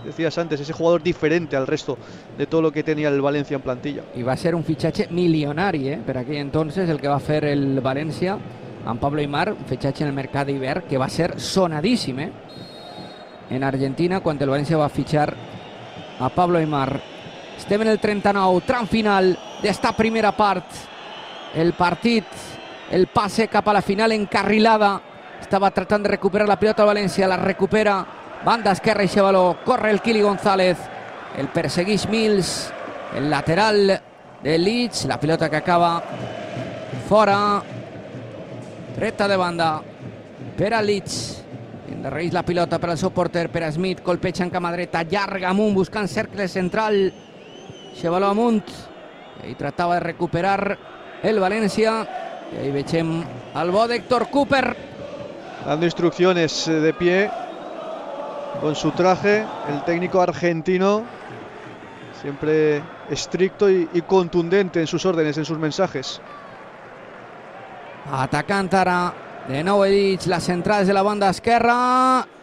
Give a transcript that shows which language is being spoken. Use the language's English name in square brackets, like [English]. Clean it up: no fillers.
[Spanish] Decías antes, ese jugador diferente al resto de todo lo que tenía el Valencia en plantilla. Y va a ser un fichaje millonario, ¿eh? Pero aquí entonces el que va a hacer el Valencia, en Pablo Aymar, un fichaje en el mercado de Iber, que va a ser sonadísimo, ¿eh? En Argentina, cuando el Valencia va a fichar a Pablo Aymar. [Catalan] Estem en el 39, tram final d'esta primera part. El partit, el passe cap a la final encarrilada. Estava tractant de recuperar la pilota al València, la recupera. Banda esquerra i xevaló, corre el Quili González. El perseguix Mills, el lateral de Leeds. La pilota que acaba fora. Dreta de banda per a Leeds. Endarrereix la pilota per al seu porter, per a Smith, colpeja en cama dreta, llarga amunt, buscant cercle central, xevaló amunt, i tractava de recuperar el València, i ahí veiem el bo d'Héctor Cooper. [Spanish] Dando instrucciones de pie, con su traje, el técnico argentino, siempre estricto y contundente en sus órdenes, en sus mensajes. [Catalan] Atacant ara. De nou Edith, la central és de la banda esquerra.